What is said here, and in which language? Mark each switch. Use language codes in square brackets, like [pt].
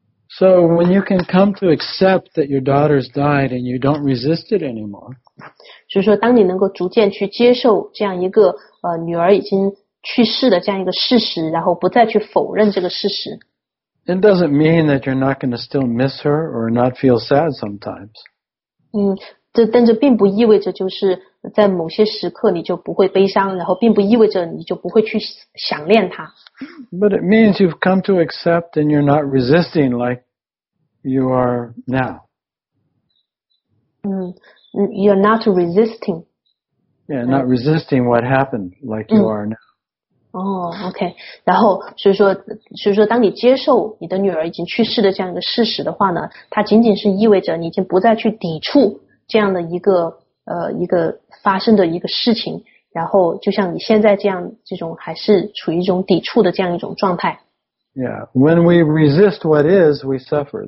[en] So when you can come to accept that your daughter's died and you don't resist it anymore, [zh] 所以说当你能够逐渐去接受这样一个女儿已经去世的这样一个事实，然后不再去否认这个事实。 [en] It doesn't mean that you're not going to still miss her or not feel sad sometimes. [zh] 但这并不意味着就是在某些时刻你就不会悲伤，然后并不意味着你就不会去想念他。 [en] But it means you've come to accept and you're not resisting like you are now. You're not resisting. Yeah, not resisting what happened like you are now. Okay. [zh] 然后所以说当你接受你的女儿已经去世的这样一个事实的话呢，它仅仅是意味着你已经不再去抵触这样的一个发生的一个事情。然后就像你现在这样这种还是处于一种抵触的这样一种状态。 [en] Yeah, when we resist what is, we suffer.